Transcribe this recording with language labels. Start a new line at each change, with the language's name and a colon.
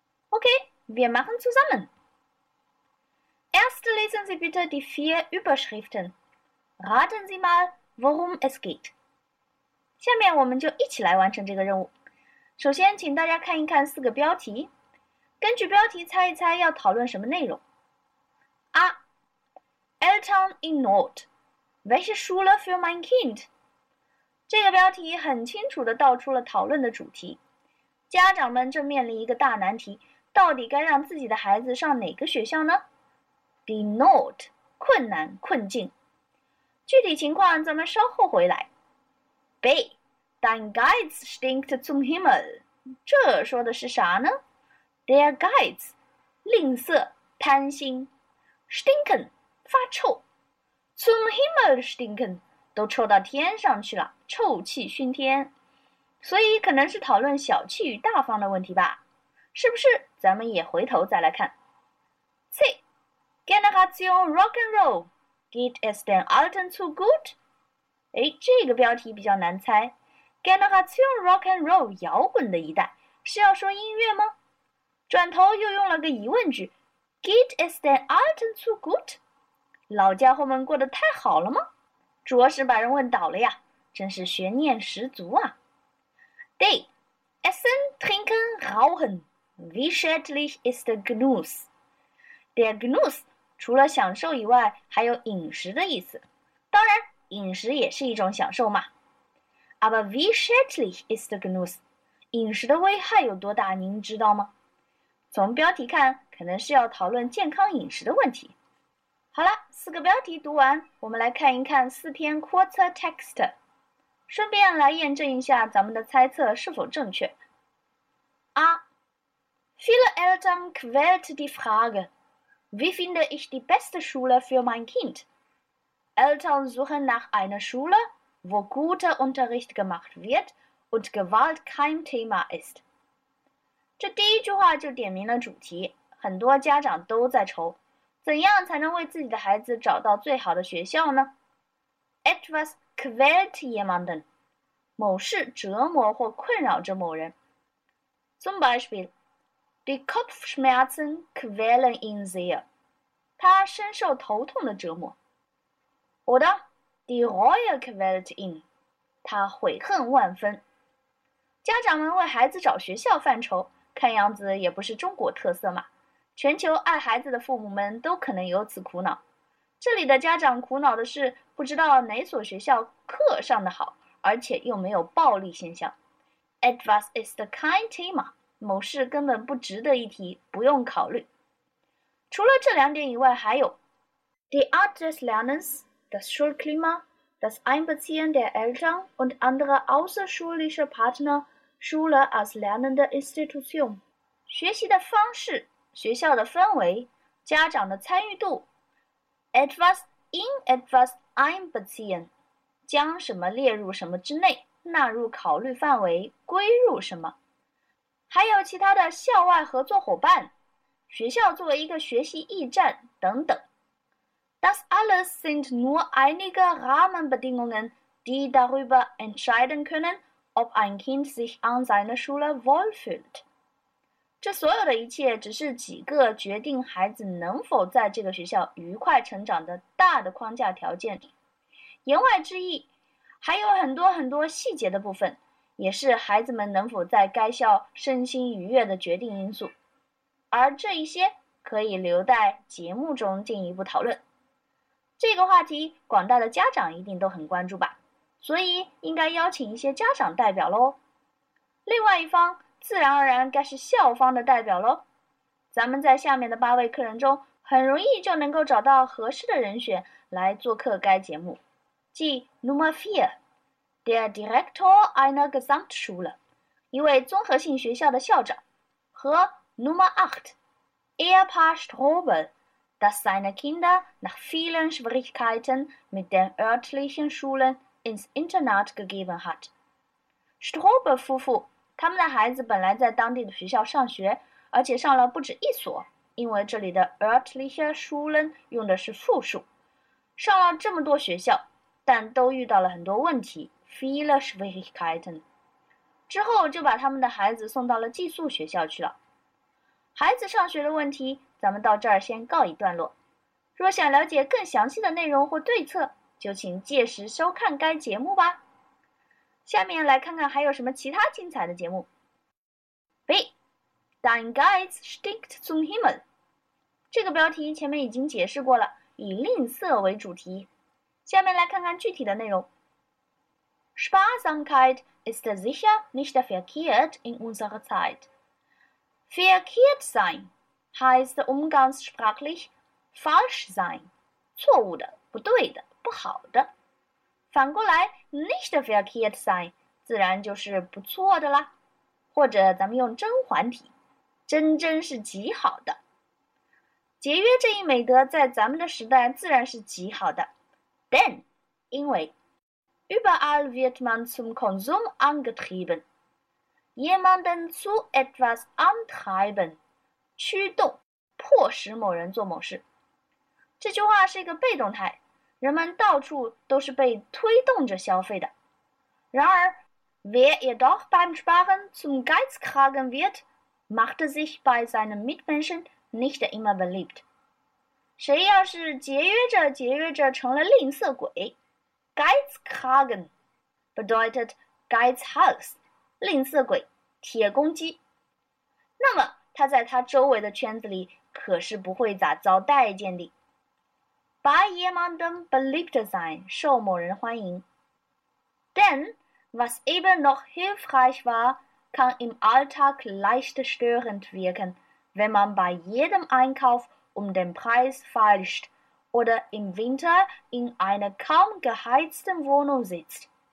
German: Okay, wir machen zusammen. Erst lesen Sie bitte die 4 Überschriften. Raten Sie mal, worum es geht.
Chinese: 下面我们就一起来完成这个任务。首先请大家看一看4个标题。根据标题猜一猜要讨论什么内容。
German: A. Eltern in Not. Welche Schule für mein Kind?
Chinese: 这个标题很清楚地道出了讨论的主题。家长们正面临一个大难题。到底该让自己的孩子上哪个学校呢 ？
German: The Not
Chinese: 困难困境，具体情况咱们稍后回来。B.
German: Dein Geiz stinkt zum Himmel，
Chinese: 这说的是啥呢 ？
German: Der Geiz
Chinese: 吝啬贪心 ，
German: stinken
Chinese: 发臭 ，
German: zum Himmel stinken
Chinese: 都臭到天上去了，臭气熏天。所以可能是讨论小气与大方的问题吧。是不是咱们也回头再来看。 C.
English: Generation Rock and Roll,
German: geht es den Alten zu gut?
Chinese: 诶，这个标题比较难猜。
English: Generation Rock and Roll,
Chinese: 摇滚的一代，是要说音乐吗？转头又用了个疑问句，
German: geht es den Alten zu gut?
Chinese: 老家伙们过得太好了吗？着实把人问倒了呀，真是悬念十足啊。
German: D. Essen, trinken, rauchen. Wirtschaftlich ist der Genuss. Der Genuss
Chinese: 除了享受以外，还有饮食的意思。当然，饮食也是一种享受嘛。
German: Aber wirtschaftlich ist der Genuss?
Chinese: 饮食的危害有多大，您知道吗？从标题看，可能是要讨论健康饮食的问题。好了，四个标题读完，我们来看一看四篇 Kurztext， 顺便来验证一下咱们的猜测是否正确。啊。
German: Viele Eltern quält die Frage, wie finde ich die beste Schule für mein Kind? Eltern suchen nach einer Schule, wo guter Unterricht gemacht wird und Gewalt kein Thema ist.
Chinese: 这第一句话就点明了主题，很多家长都在愁，怎样才能为自己的孩子找到最好的学校呢？
German: Etwas quält jemanden.
Chinese: 某事折磨或困扰着某人。
German: Zum Beispiel,Die Kopfschmerzen quälen ihn sehr.
Chinese: 他深受头痛的折磨。
German: Oder die Reue quält ihn.
Chinese: 他悔恨万分。家长们为孩子找学校犯愁，看样子也不是中国特色嘛。全球爱孩子的父母们都可能有此苦恼。这里的家长苦恼的是不知道哪所学校课上的好，而且又没有暴力现象。
German: Etwas ist kein Thema.
Chinese: 某事根本不值得一提，不用考虑。除了这两点以外，还有
German: ：die Art des Lernens, das Schulklima, das Einbeziehen der Eltern und andere außerschulische Partner, Schule als lernende Institution。
Chinese: 学习的方式、学校的氛围、家长的参与度。
German: Etwas in etwas einbeziehen，
Chinese: 将什么列入什么之内，纳入考虑范围，归入什么。还有其他的校外合作伙伴，学校作为一个学习驿站等等。
German: Das alles sind nur einige Rahmenbedingungen, die darüber entscheiden können, ob ein Kind sich an seiner Schule wohlfühlt.
Chinese: 这所有的一切只是几个决定孩子能否在这个学校愉快成长的大的框架条件。言外之意，还有很多很多细节的部分。也是孩子们能否在该校身心愉悦的决定因素，而这一些可以留在节目中进一步讨论。这个话题广大的家长一定都很关注吧，所以应该邀请一些家长代表咯。另外一方自然而然该是校方的代表咯。咱们在下面的八位客人中很容易就能够找到合适的人选来做客该节目，即
German: Nummer 4Der Direktor einer Gesamtschule,
Chinese: 一位综合性学校的校长，和
German: Nummer 8, Ehepaar Strobel, das seine Kinder nach vielen Schwierigkeiten mit den örtlichen Schulen ins Internat gegeben hat.
Chinese: Strobel 夫妇，他们的孩子本来在当地的学校上学，而且上了不止一所，因为这里的
German: örtliche Schulen
Chinese: 用的是复数，上了这么多学校，但都遇到了很多问题。
German: Viele Schwierigkeiten.
Chinese: 之后就把他们的孩子送到了寄宿学校去了。孩子上学的问题，咱们到这儿先告一段落。若想了解更详细的内容或对策，就请届时收看该节目吧。下面来看看还有什么其他精彩的节目。 B.
German: Dein Geiz stinkt zum Himmel.
Chinese: 这个标题前面已经解释过了，以吝啬为主题。下面来看看具体的内容。
German: Sparsamkeit ist sicher nicht verkehrt in unserer Zeit. Verkehrt sein heißt umgangssprachlich falsch sein.
Chinese: 错误的、不对的、不好的。反过来 ,
German: nicht verkehrt sein,
Chinese: 自然就是不错的啦。或者咱们用甄嬛体，真真是极好的。节约这一美德在咱们的时代自然是极好的。
German: Denn,
Chinese: 因为
German: Überall wird man zum Konsum angetrieben. jemanden zu etwas antreiben,
Chinese: 驱动，迫使某人做某事。这句话是一个被动态，人们到处都是被推动着消费的。然而
German: ，wer jedoch beim Sparen zum Geizkragen wird, macht sich bei seinen Mitmenschen nicht immer beliebt。
Chinese: 谁要是节约着节约着成了吝啬鬼 ，
German: Geizkragen bedeutet Geizhals，
Chinese: 吝啬鬼，铁公鸡。那么他在他周围的圈子里可是不会咋遭待见的。
German: Bei jemandem beliebt sein, 受某人欢迎。 Denn, was eben noch hilfreich war, kann im Alltag leicht störend wirken, wenn man bei jedem Einkauf den Preis feilscht oder im Winter in einer kaum geheizten Wohnung sitzt.